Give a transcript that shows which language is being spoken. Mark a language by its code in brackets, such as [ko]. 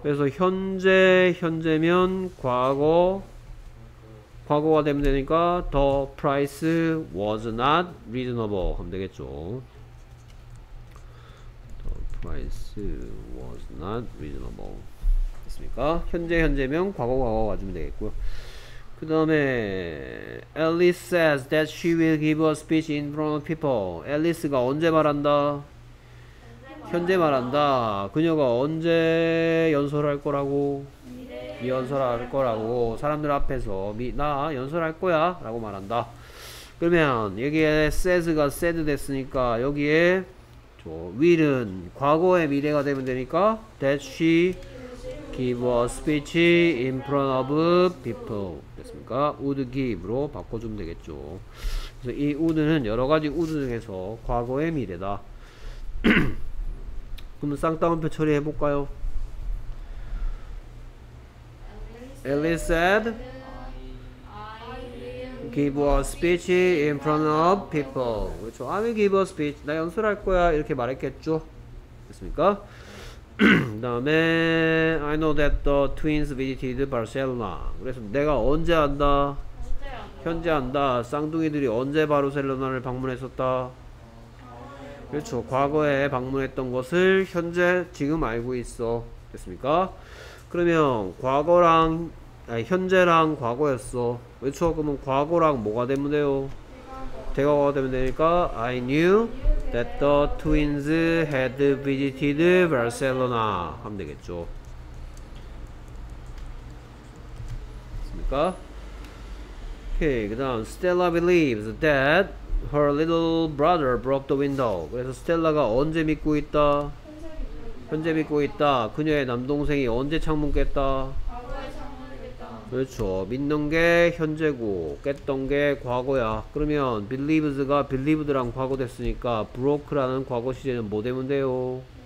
[ko] 그래서 현재, 현재면 과거, 과거가 되면 되니까 [en] the price was not reasonable [ko] 하면 되겠죠. [en] the price was not reasonable 됐습니까? [ko] 현재, 현재면 과거, 과거가 와주면 되겠고요. 그 다음에 [en] Alice says that she will give a speech in front of people. [ko] Alice가 언제 말한다? 현재 말한다. 그녀가 언제 연설할 거라고? 미래에 연설할 거라고. 사람들 앞에서 나 연설할 거야 라고 말한다. 그러면 여기에 says가 said 됐으니까 여기에 will은 과거의 미래가 되면 되니까 [en] that she give a speech in front of people [ko] 됐습니까? would give로 바꿔주면 되겠죠. 그래서 이 would는 여러가지 would 중에서 과거의 미래다. 그럼 쌍따옴표 처리해볼까요? [en] Alice said give a speech in front of people. [ko] 그렇죠. [en] I will give a speech. [ko] 나 연설할 거야 이렇게 말했겠죠. 됐습니까? 그 다음에 [en] I know that the twins visited Barcelona. [ko] 그래서 내가 언제 안다? 현재 안다. 쌍둥이들이 언제 바르셀로나를 방문했었다? 그렇죠. 과거에 방문했던 것을 현재 지금 알고 있어. 됐습니까? 그러면 과거랑 아니 현재랑 과거였어. 그렇죠. 그러면 과거랑 뭐가 되면 돼요? 대과가 되면 되니까 [en] I knew that the twins had visited Barcelona [ko] 하면 되겠죠. 됐습니까? 오케이. 그 다음 [en] Stella believes that her little brother broke the window. [ko] 그래서 스텔라가 언제 믿고 있다? 현재 믿고 있다. 그녀의 남동생이 언제 창문 깼다? 그렇죠. 믿는 게 현재고 깼던 게 과거야. 그러면 believes가 believed랑 과거 됐으니까 broke라는 과거 시제는 뭐 되면 돼요?